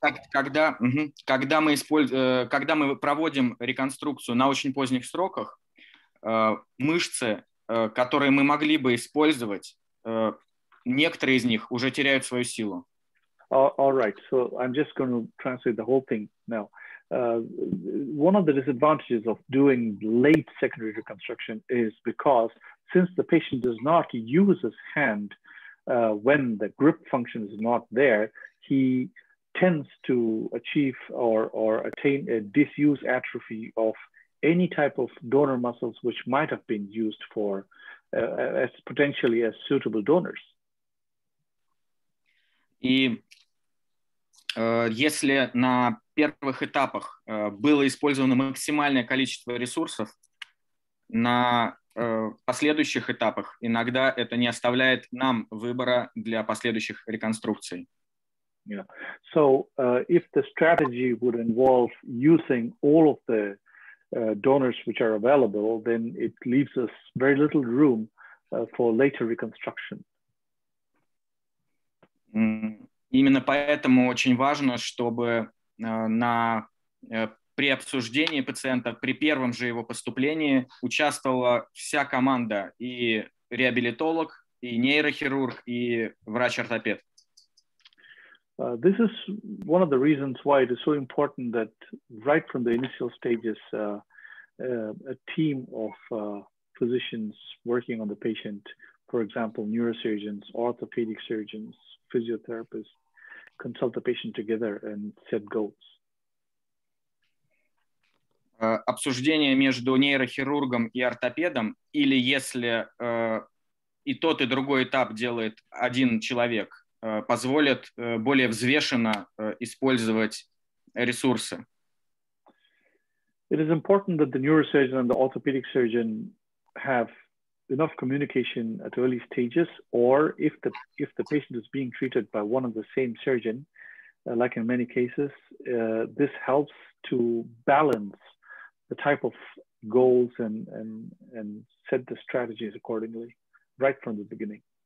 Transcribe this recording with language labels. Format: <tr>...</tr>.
<ru>Когда мы проводим реконструкцию на очень поздних сроках, мышцы, которые мы могли бы использовать, некоторые из них уже теряют свою силу.</ru> <en>All right. So I'm just going to translate the whole thing now. One of the disadvantages of doing late secondary reconstruction is because since the patient does not use his hand when the grip function is not there, he tends to achieve or attain a disuse atrophy of any type of donor muscles which might have been used for as potentially as suitable donors.</en> <ru>Если на первых этапах было использовано максимальное количество ресурсов, на последующих этапах иногда это не оставляет нам выбора для последующих реконструкций.</ru> <en>Yeah. So if the strategy would involve using all of the donors which are available, then it leaves us very little room for later reconstruction.</en> <ru>Именно поэтому очень важно, чтобы при обсуждении пациента, при первом же его поступлении, участвовала вся команда, и реабилитолог, и нейрохирург, и врач-ортопед.</ru> <en>This is one of the reasons why it is so important that right from the initial stages, a team of physicians working on the patient, for example, neurosurgeons, orthopedic surgeons, physiotherapists, consult the patient together and set goals.</en> <ru>Обсуждение между нейрохирургом и ортопедом, или если и тот, и другой этап делает один человек, позволит более взвешенно использовать ресурсы.</ru> <en>It is important that the neurosurgeon and the orthopedic surgeon have enough communication at early stages, or if the patient is being treated by one and the same surgeon, like in many cases, this helps to balance the type of goals and set the strategies accordingly, right from the beginning.</en>